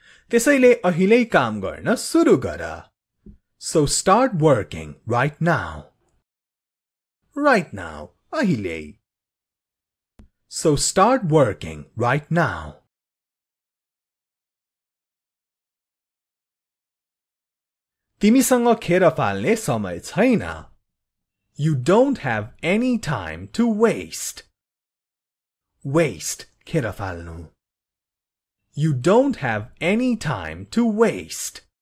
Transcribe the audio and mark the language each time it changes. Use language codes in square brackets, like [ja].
[ne] त्यसैले अहिलै काम गर्न सुरु गर [en] so start working right now अहिलै so start working right now [ne] तिमीसँग खेर फाल्ने समय छैन [en] you don't have any time to [ne] waste खेर फाल्नु [en] You don't have any time to waste.